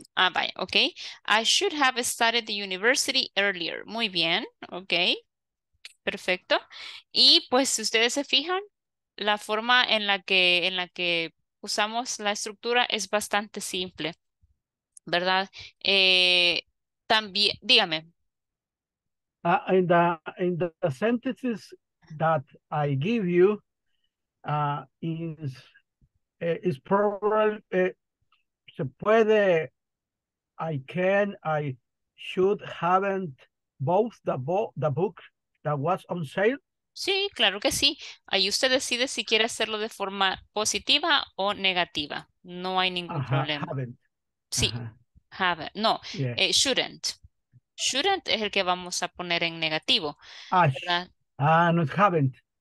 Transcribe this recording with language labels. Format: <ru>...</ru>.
<en>Ah, vaya, okay. I should have started the university earlier.</en> <es>Muy bien, okay. Perfecto. Y pues si ustedes se fijan, la forma en la que usamos la estructura es bastante simple, ¿verdad? También, dígame.</es> <en>In the sentences that I give you, is probably</en> <es>se puede,</es> <en>I can, I should haven't both the book that was on sale.</en> <es>Sí, claro que sí. Ahí usted decide si quiere hacerlo de forma positiva o negativa. No hay ningún problema.</es> <en>Haven't. Sí, haven't. No, yeah. Shouldn't.</en> <es>Shouldn't es el que vamos a poner en negativo. No es haven't.</es>